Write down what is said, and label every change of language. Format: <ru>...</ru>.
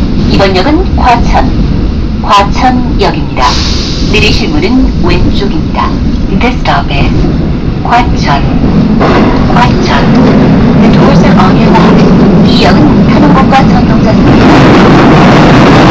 <ko>이번역은 과천역입니다. 내리실 문은 왼쪽입니다.</ko> <en>This stop is 과천.</en> <ko>과천.</ko> <en>The doors are on your left.</en> <ko>이 역은 탄원곡과 전동자입니다.</ko>